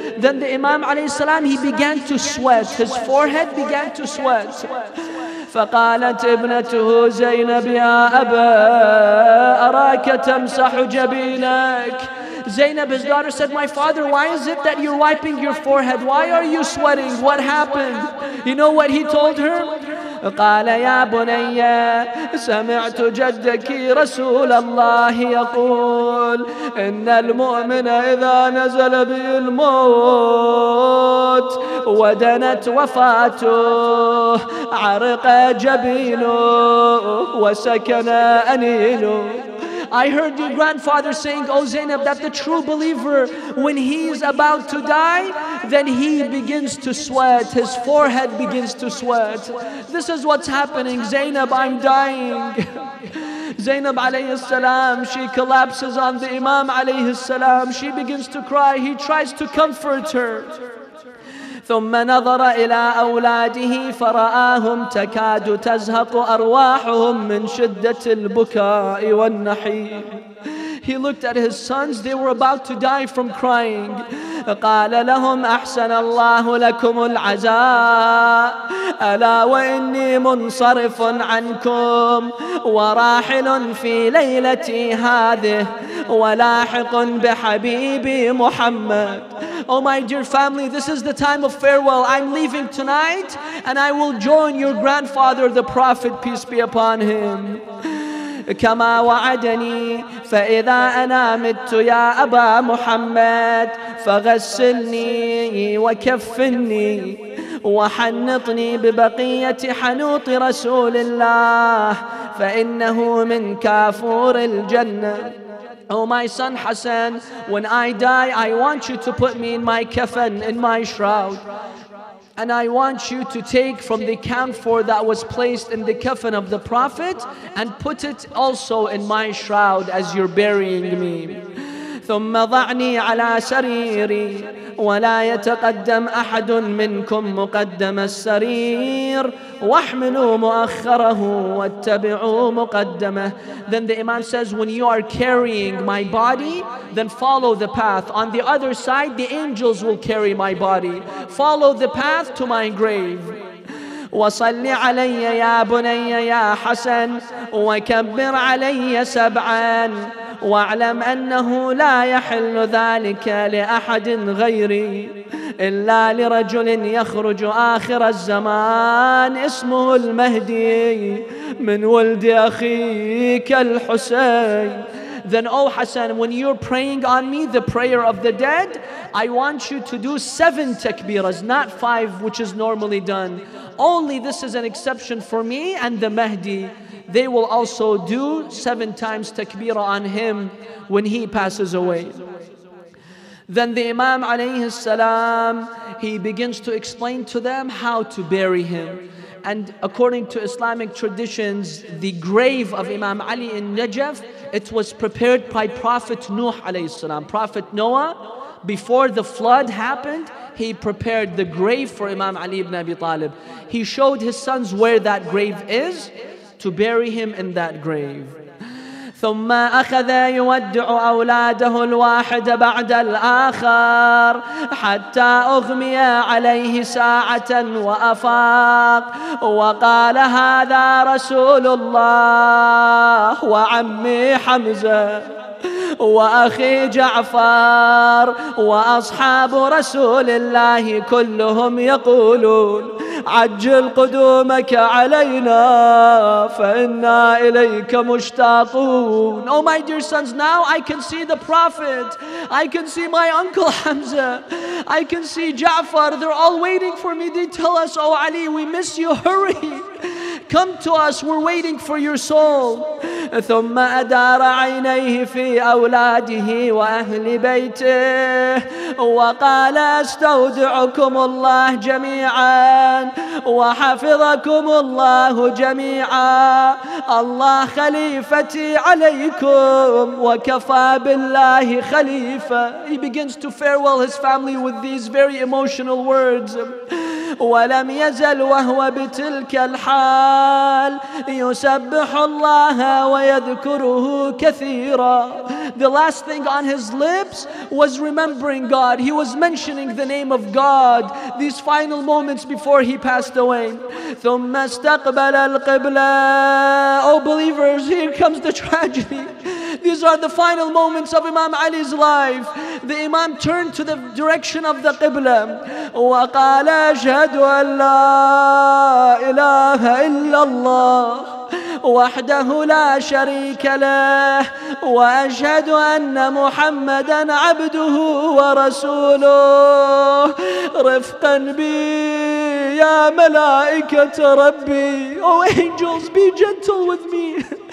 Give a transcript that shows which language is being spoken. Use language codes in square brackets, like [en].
[en] Then the Imam alayhi salam, he began to sweat. His forehead began to sweat. [ar] فقالت ابنته زينب يا أبا أراك تمسح جبينك. [en] Zainab, his daughter, said, my father, why is it that you're wiping your forehead? Why are you sweating? What happened? You know what he told her? [ar] قال يا بني سمعت جدك رسول الله يقول إن المؤمن إذا نزل به الموت ودنت وفاته عرق جبينه وسكن أنينه. [en] I heard your grandfather saying, O Zainab, that the true believer, when he is about to die, then he begins to sweat, his forehead begins to sweat. This is what's happening. Zainab, I'm dying. Zainab alayhi salam, she collapses on the Imam alayhi salam. She begins to cry. He tries to comfort her. [ar] ثم نظر إلى أولاده فرآهم تكاد تزهق أرواحهم من شدة البكاء والنحيب. [en] He looked at his sons, they were about to die from crying. [ar] قال لهم أحسن الله لكم العزاء ألا وإني منصرف عنكم وراحل في ليلتي هذه ولاحق بحبيبي محمد. [en] Oh my dear family, this is the time of farewell. I'm leaving tonight and I will join your grandfather the Prophet, peace be upon him. [ar] كما وعدني فإذا أنا مت يا أبا محمد فغسلني وكفني وحنطني ببقية حنوط رسول الله فإنه من كافور الجنة. [en] Oh my son Hassan, when I die, I want you to put me in my kafan, in my shroud. And I want you to take from the camphor that was placed in the kafan of the Prophet and put it also in my shroud as you're burying me. [ar] ثم ضعني على سريري ولا يتقدم أحد منكم مقدم السرير واحملوا مؤخره واتبعوا مقدمه. [en] Then the Imam says, when you are carrying my body, then follow the path. On the other side, the angels will carry my body. Follow the path to my grave. [ar] وصل علي يا بني يا حسن وكبر علي سبعا واعلم أنه لا يحل ذلك لأحد غيري إلا لرجل يخرج آخر الزمان اسمه المهدي من ولد أخيك الحسين. [en] Then, O Hassan, when you're praying on me, the prayer of the dead, I want you to do 7 takbiras, not 5, which is normally done. Only this is an exception for me and the Mahdi. They will also do 7 times takbira on him when he passes away. Then the Imam alayhi salam, he begins to explain to them how to bury him. And according to Islamic traditions, the grave of Imam Ali in Najaf, it was prepared by Prophet Nuh alayhi salam. Prophet Noah, before the flood happened, he prepared the grave for Imam Ali ibn Abi Talib. He showed his sons where that grave is, to bury him in that grave. [ar] ثم أخذ يودع أولاده الواحد بعد الآخر حتى أغمي عليه ساعة وأفاق وقال هذا رسول الله وعمي حمزة وأخي جعفر وأصحاب رسول الله كلهم يقولون عجل قدومك علينا فإنا إليك مشتاقون. [en] Oh my dear sons, now I can see the Prophet, I can see my uncle Hamza, I can see Jafar, they're all waiting for me. They tell us, oh Ali, we miss you, hurry, come to us, we're waiting for your soul. [ar] ثم أدار عينيه في أولاده وأهل بيته وقال أستودعكم الله جميعا وحفظكم الله جميعا الله خليفتي عليكم وكفى بالله خليفة. [en] He begins to farewell his family with these very emotional words. [ar] ولم يزل وهو بتلك الحال يسبح الله ويذكره كثيرا. [en] The last thing on his lips was remembering God. He was mentioning the name of God these final moments before he passed away. [ar] ثم استقبل القبلة. [en] Oh believers, here comes the tragedy. These are the final moments of Imam Ali's life. The Imam turned to the direction of the Qibla. [ar] وقال أشهد أن لا إله إلا الله وحده لا شريك له وأشهد أن محمدا عبده ورسوله رفقا بي يا ملائكة ربي. [en] Oh angels, be gentle with me.